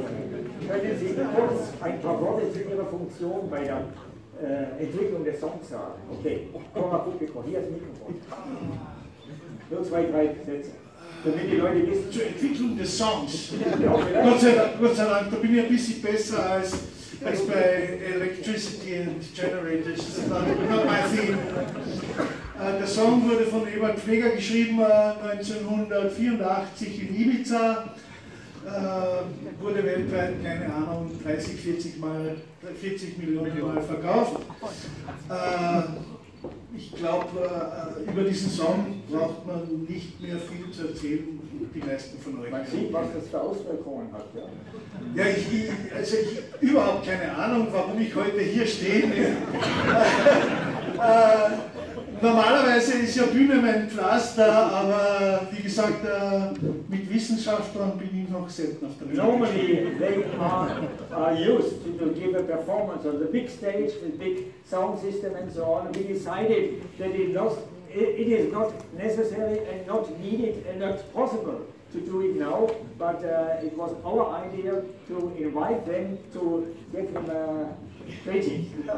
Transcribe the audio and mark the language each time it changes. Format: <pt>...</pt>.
<de>Vielleicht können Sie kurz ein paar Worte zu Ihrer Funktion bei der Entwicklung des Songs sagen. Okay, komm mal Publikum, hier ist das Mikrofon. Nur zwei, drei Sätze. Damit die Leute wissen. Zur Entwicklung des Songs. Gott sei Dank, da bin ich ein bisschen besser als.</de> <en>It's by electricity and generators, not my theme.</en> <de>Der Song wurde von Ewald Pfleger geschrieben 1984 in Ibiza. Wurde weltweit, keine Ahnung, 40 Millionen Mal verkauft. Ich glaube, über diesen Song braucht man nicht mehr viel zu erzählen, die meisten von euch. Man sieht, was das für Auswirkungen hat, ja? Ja, ich überhaupt keine Ahnung, warum ich heute hier stehe. Normalerweise ist ja Bühne mein Pflaster, aber wie gesagt, mit Wissenschaftlern bin ich noch selten auf der Bühne.</de> <en>Normally they are used to give a performance on the big stage with big sound system and so on. We decided that it is not necessary and not needed and not possible to do it now, but it was our idea to invite them to get them a greeting.</en>